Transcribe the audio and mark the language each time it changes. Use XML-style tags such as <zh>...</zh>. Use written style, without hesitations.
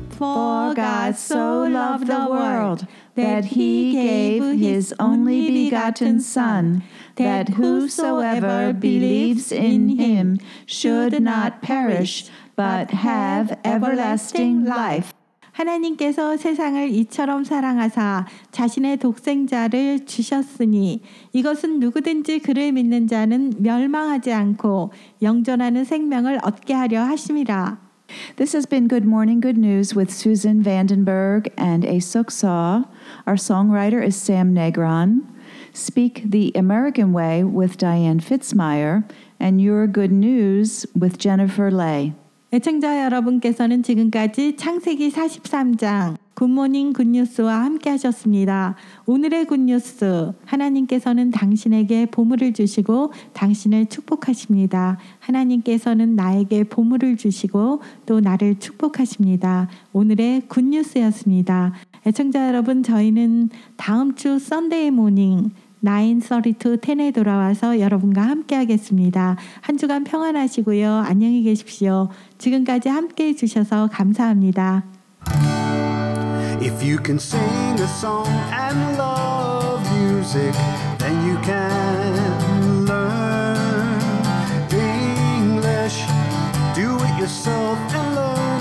<en>For God so loved the world that He gave His only begotten Son, that whosoever believes in Him should not perish, but have everlasting life.</en> <ko>하나님께서 세상을 이처럼 사랑하사 자신의 독생자를 주셨으니 이것은 누구든지 그를 믿는 자는 멸망하지 않고 영존하는 생명을 얻게 하려 하심이라.</ko> <en>This has been Good Morning Good News with Susan Vandenberg and Aesuk Saw. Our songwriter is Sam Negron. Speak the American Way with Diane Fitzmyer and Your Good News with Jennifer Lay.</en> <ko>애청자 여러분께서는 지금까지 창세기 43장 굿모닝 굿뉴스와 함께 하셨습니다. 오늘의 굿뉴스, 하나님께서는 당신에게 보물을 주시고 당신을 축복하십니다. 하나님께서는 나에게 보물을 주시고 또 나를 축복하십니다. 오늘의 굿뉴스였습니다. 애청자 여러분, 저희는 다음 주 썬데이 모닝 9:30 to 10에 돌아와서 여러분과 함께 하겠습니다. 한 주간 평안하시고요. 안녕히 계십시오. 지금까지 함께 해주셔서 감사합니다.</ko> <en>If you can sing a song and love music, then you can learn English. Do it yourself and learn.</en>